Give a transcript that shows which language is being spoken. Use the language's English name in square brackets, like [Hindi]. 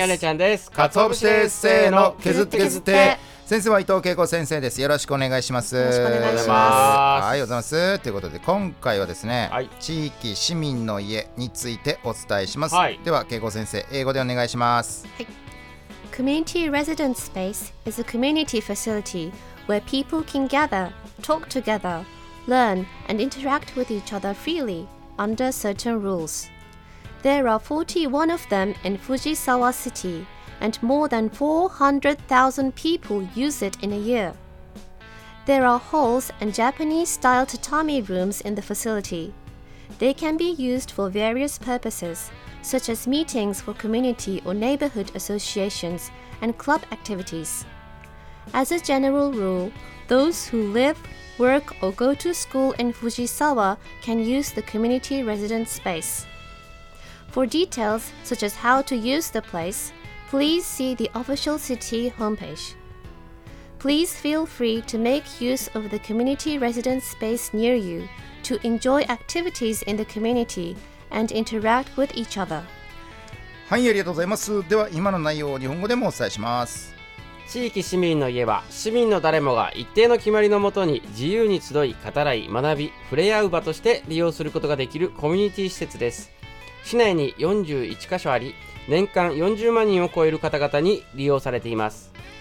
[Japanese] ヤネちゃんです。カツオ節せーの削って削って、先生は伊藤恵子先生です。よろしくお願いします。よろしくお願いします。はい、おはようございます。ということで今回はですね、はい、地域市民の家についてお伝えします。はい、では恵子先生、英語でお願いします。 [English] はい、 Community Residence Space is a community facilityWhere people can gather, talk together, learn, and interact with each other freely under certain rules. There are 41 of them in Fujisawa City, and more than 400,000 people use it in a year. There are halls and Japanese-style tatami rooms in the facility. They can be used for various purposes, such as meetings for community or neighborhood associations and club activities. As a general rule, those who live, work, or go to school in Fujisawa can use the community residence space. For details, such as how to use the place, please see the official city homepage. Please feel free to make use of the community residence space near you to enjoy activities in the community and interact with each other. [Japanese] はい、ありがとうございます。では今の内容を日本語でもお伝えします。地域市民の家は、市民の誰もが一定の決まりのもとに自由に集い、語らい、学び、触れ合う場として利用することができるコミュニティ施設です。市内に41カ所あり、年間40万人を超える方々に利用されています。